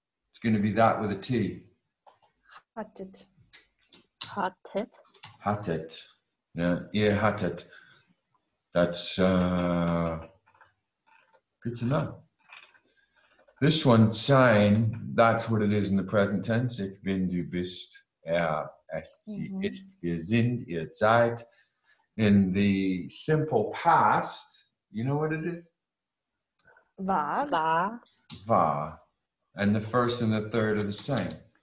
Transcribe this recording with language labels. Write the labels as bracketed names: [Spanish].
[English] It's going to be that with a T. [German] Hattet. Hattet. Hattet. [English] Yeah. [German] Ihr hattet. [English] That's good to know. This one, sein, that's what it is in the present tense. [German] Ich bin, du bist, est, sie ist, wir sind, ihr seid. [English] In the simple past, you know what it is? [German] War. [English] And the first and the third are the same.